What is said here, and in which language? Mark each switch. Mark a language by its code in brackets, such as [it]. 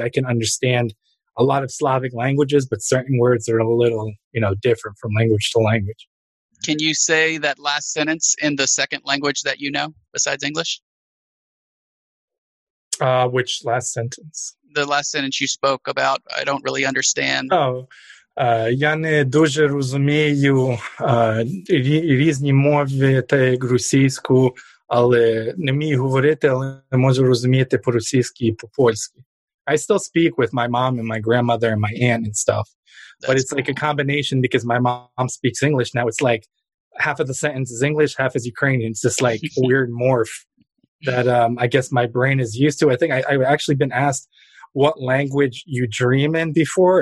[en] I can understand a lot of Slavic languages, but certain words are a little, you know, different from language to language. Can you say that last sentence in the second language that you know besides English? Which last sentence? The last sentence you spoke about, I don't really understand. [uk] Oh, я не дуже розумію різні мови та як російську, але не вмію говорити, але не можу розуміти по-російськи і по-польськи. [en] I still speak with my mom and my grandmother and my aunt and stuff. But it's like a combination because my mom speaks English. Now it's like half of the sentence is English, half is Ukrainian. It's just like a weird morph that I guess my brain is used to. I think I've actually been asked what language you dream in before.